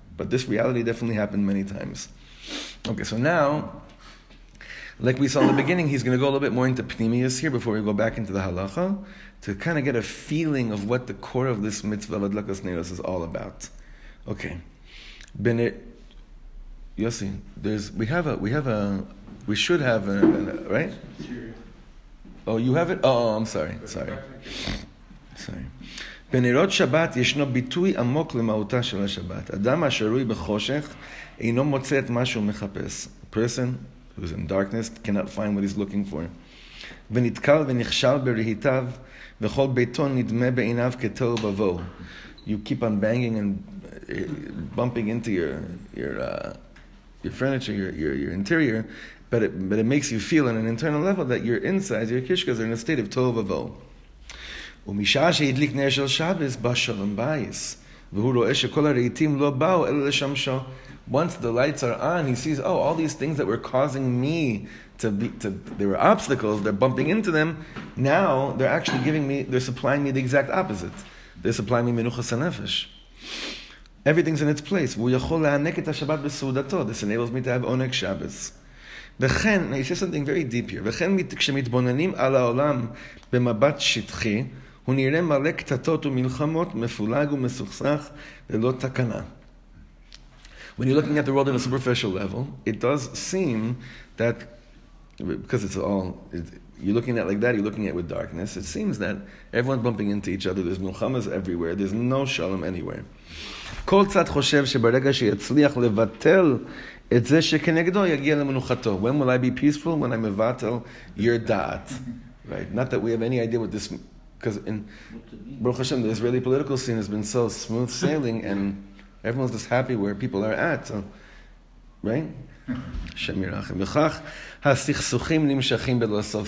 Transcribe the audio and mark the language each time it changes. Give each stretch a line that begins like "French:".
English: But this reality definitely happened many times. Okay, so now, like we saw in the beginning, he's going to go a little bit more into pnimius here before we go back into the halacha to kind of get a feeling of what the core of this mitzvah of hadlakas neros is all about. Okay, Bennett, Yossi, we should have a, right? Oh, you have it? Oh, I'm sorry.
Hebrew: בנרות שבת ישנו ביטוי עמוק למהותה של השבת. אדם השרוי בחושך אינו מוצא את מה שהוא מחפש.
English: A person who's in darkness cannot find what he's looking for.
Hebrew: ונתקל ונכשל ברהיטיו וכל ביתו נדמה בעיניו כתור בבו.
English: You keep on banging and bumping into your furniture, your interior, but it makes you feel on an internal level that your insides, your kishkas, are in a state of tohu ובוהו.
Hebrew: ומשעה שהדליק נר של שבת בא שלום בית והוא רואה שכל הרהיטים לא באו אלא לשמשו.
English: Once the lights are on, he sees, oh, all these things that were causing me to there were obstacles, they're bumping into them, now they're actually giving me, they're supplying me the exact opposite. They're supplying me
Hebrew: מנוחה סנפש.
English: Everything's in its place.
Hebrew: והוא יכול להענק את השבת בסעודתו.
English: This enables me to have
Hebrew: עונג שבת. וכן,
English: he says something very deep here.
Hebrew: וכן כשמתבוננים על העולם במבט שטחי, הוא נראה מלא קטטות ומלחמות, מפולג ומסוכסך, ללא תקנה.
English: When you're looking at the world on a superficial level, it does seem that, because it's all, you're looking at it like that, you're looking at it with darkness, it seems that everyone's bumping into each other, there's milchamas everywhere, there's no shalom anywhere.
Hebrew: כל צד חושב שברגע שיצליח לבטל את זה שכנגדו יגיע למנוחתו.
English: When will I be peaceful? When I mevatel your da'at. Right? Not that we have any idea what this, because in Baruch Hashem, the Israeli political scene has been so smooth sailing and everyone's just happy where people are at. So, right?
Hebrew: Shem Yirachem. V'chach ha-sichsuchim nimshachim b'losof.